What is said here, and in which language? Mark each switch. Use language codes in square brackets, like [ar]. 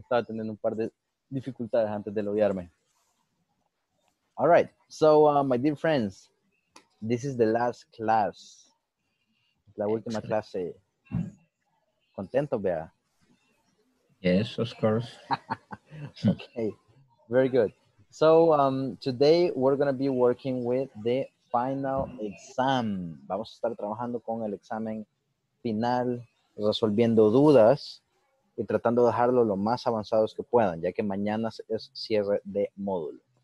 [es] Estaba teniendo un par de dificultades antes de loguearme. [en] All right. So, my dear friends, this is the last class. [es] La última clase. Contento, Bea. [en] Yes, of course. Okay, very good. So today we're going to be working with the final exam. [es] Vamos a estar trabajando con el examen final, resolviendo dudas y tratando de dejarlo lo más avanzados que puedan, ya que mañana es cierre de módulo.